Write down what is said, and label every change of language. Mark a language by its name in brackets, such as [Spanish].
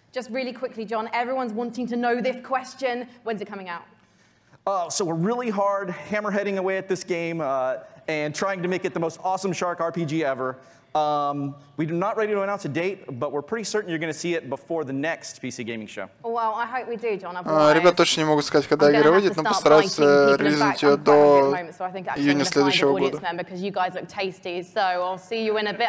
[English] Just really quickly, John, everyone's wanting to know this question. When's it coming out? So we're really hard hammerheading away at this game and trying to make it the most awesome shark RPG ever. We're not ready to announce a date, but we're pretty certain you're going to see it before the next PC gaming show. Well, I hope we do, John. [Russian] Ребята точно не могут сказать, когда игра выйдет, но постараются релизить ее до июня следующего года. [English] Because you guys look tasty, so I'll see you in a bit.